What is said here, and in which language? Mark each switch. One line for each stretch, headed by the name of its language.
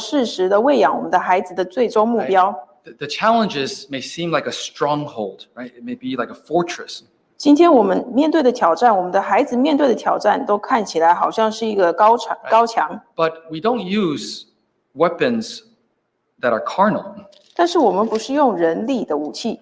Chinese: 这就是为什么我们要通达食物，然后适时的喂养我们的孩子的最终目标。
English: The challenges may seem like a stronghold, right? It may be like a fortress.
Chinese: 今天我们面对的挑战，我们的孩子面对的挑战，都看起来好像是一个高墙。
English: But we don't use weapons that are carnal.
Chinese: 但是我们不是用人力的武器。